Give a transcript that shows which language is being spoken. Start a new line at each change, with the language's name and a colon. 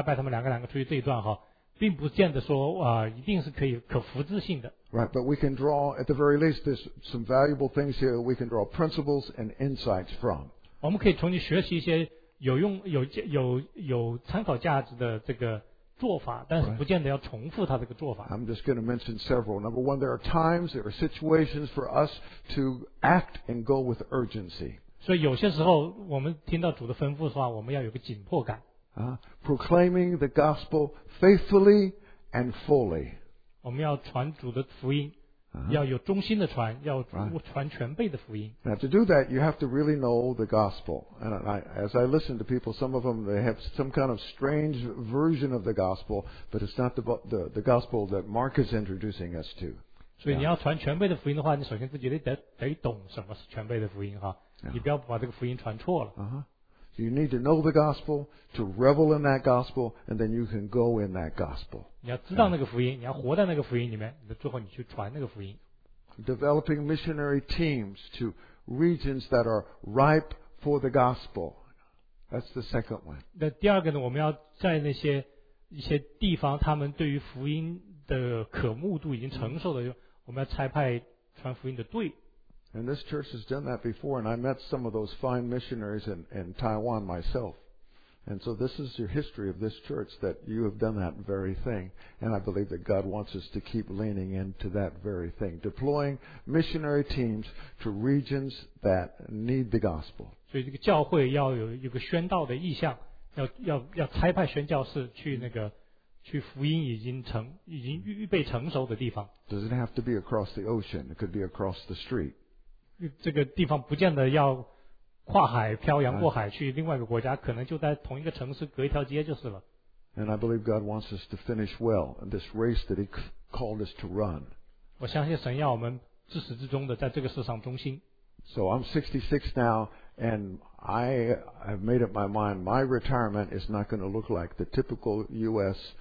Chinese: 我觉得这一段讲到耶稣差派他们两个两个出去这一段哈。并不见得说一定是可以可复制性的。
English: Right, but we can draw, at the very least, there's some valuable things here that we can draw principles and insights from.
Chinese: 我们可以从你学习一些有用、有参考价值的这个做法，但是不见得要重复它这个做法。
English: Right. I'm just going to mention several. Number one, there are times, there are situations for us to act and go with urgency.
Chinese: 所以有些时候我们听到主的吩咐的话，我们要有个紧迫感。
English: Proclaiming the gospel faithfully and fully.
Chinese: 我们要传主的福音, 要有忠心的传, 要传全备的福音。
English: Now to do that, you have to really know the gospel. And as I listen to people, some of them, they have some kind of strange version of the gospel, but it's not the gospel that Mark is introducing us to.
Chinese: 所以你要传全备的福音的话，你首先自己得懂什么是全备的福音哈，你不要把这个福音传错了。
English: So you need to know the gospel, to revel in that gospel, and then you can go in that gospel.
Chinese: 你要知道那个福音，你要活在那个福音里面，最后你去传那个福音。
English: Developing missionary teams to regions that are ripe for the gospel. That's the second one.
Chinese: 那第二个呢，我们要在那些一些地方，他们对于福音的渴慕度已经成熟了，我们要差派传福音的队。
English: And this church has done that before, and I met some of those fine missionaries in Taiwan myself. And so this is your history of this church, that you have done that very thing. And I believe that God wants us to keep leaning into that very thing, deploying missionary teams to regions that need the gospel.
Chinese: 所以这个教会要有一个宣道的意向，要差派宣教士去那个去福音已经预备成熟的地方。
English: Does it have to be across the ocean? It could be across the street.
Chinese: 这个地方不见得要跨海漂洋过海去另外一个国家，可能就在同一个城市隔一条街就是了。
English: And I believe God wants us to finish well this race that He called us to run.
Chinese: 我相信神要我们至始至终的在这个世上忠心。
English: So I'm 66 now, and I have made up my mind. My retirement is not going to look like the typical U.S.